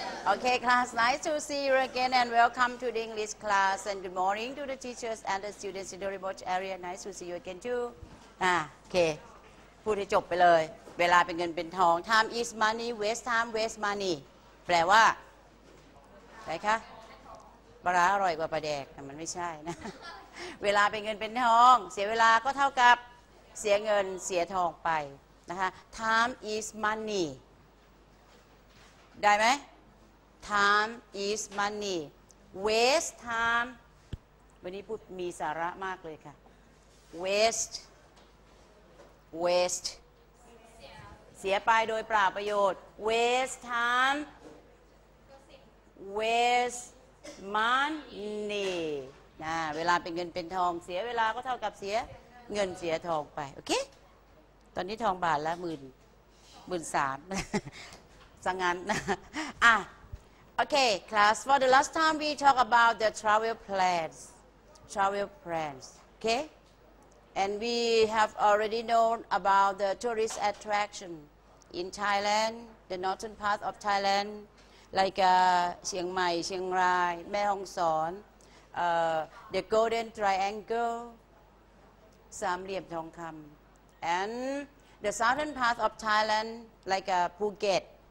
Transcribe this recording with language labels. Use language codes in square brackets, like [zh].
[en] Okay, class, nice to see you again and welcome to the English class and good morning to the teachers and the students in the remote area. Nice to see you again too. Okay. [th] พูดให้จบไปเลยเวลาเป็นเงินเป็นทอง [en] time is money, waste time, waste money. [th] แปลว่าอะไรคะปลาร้าอร่อยกว่าปลาแดกแต่มันไม่ใช่นะเวลาเป็นเงินเป็นทองเสียเวลาก็เท่ากับเสียเงินเสียทองไปนะคะ [en] time is money [th] ได้ไหม [en] time is money waste time [th] วันนี้พูดมีสาระมากเลยค่ะ waste เสียไปโดยเปล่าประโยชน์ [en] waste time waste money [th] นะเวลาเป็นเงินเป็นทองเสียเวลาก็เท่ากับเสียเงินเสียทองไปโอเคตอนนี้ทองบาทละหมื่นสามสังงานนะอ่ะ [en] Okay, class. For the last time, we talk about the travel plans. Travel plans. Okay, and we have already known about the tourist attraction in Thailand, the northern part of Thailand, like Chiang Mai, Chiang Rai, Mae Hong Son, the Golden Triangle, Sam Liem Thong Kham, and the southern part of Thailand, like Phuket.